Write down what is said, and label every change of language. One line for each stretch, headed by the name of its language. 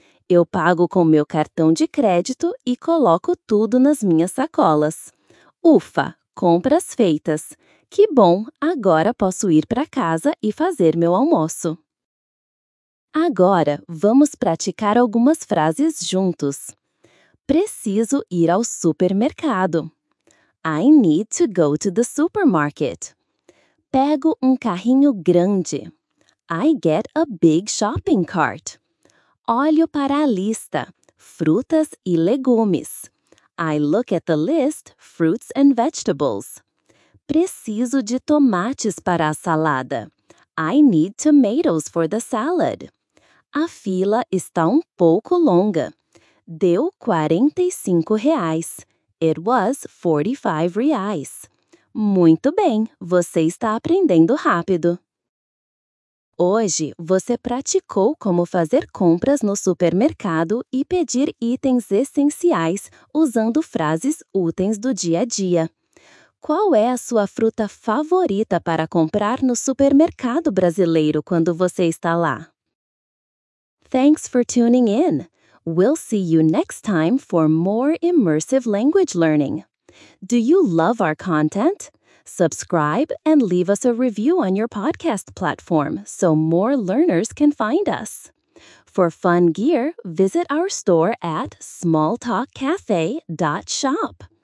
Portuguese: Eu pago com meu cartão de crédito e coloco tudo nas minhas sacolas. Ufa, compras feitas. Que bom, agora posso ir para casa e fazer meu almoço. Agora, vamos praticar algumas frases juntos. Preciso ir ao supermercado.
English: I need to go to the supermarket.
Portuguese: Pego carrinho grande.
English: I get a big shopping cart.
Portuguese: Olho para a lista. Frutas e legumes.
English: I look at the list, fruits and vegetables.
Portuguese: Preciso de tomates para a salada.
English: I need tomatoes for the salad.
Portuguese: A fila está pouco longa. Deu R$45.
English: It was R$45.
Portuguese: Muito bem, você está aprendendo rápido. Hoje, você praticou como fazer compras no supermercado e pedir itens essenciais usando frases úteis do dia a dia. Qual é a sua fruta favorita para comprar no supermercado brasileiro quando você está lá?
English: Thanks for tuning in. We'll see you next time for more immersive language learning. Do you love our content? Subscribe and leave us a review on your podcast platform so more learners can find us. For fun gear, visit our store at smalltalkcafe.shop.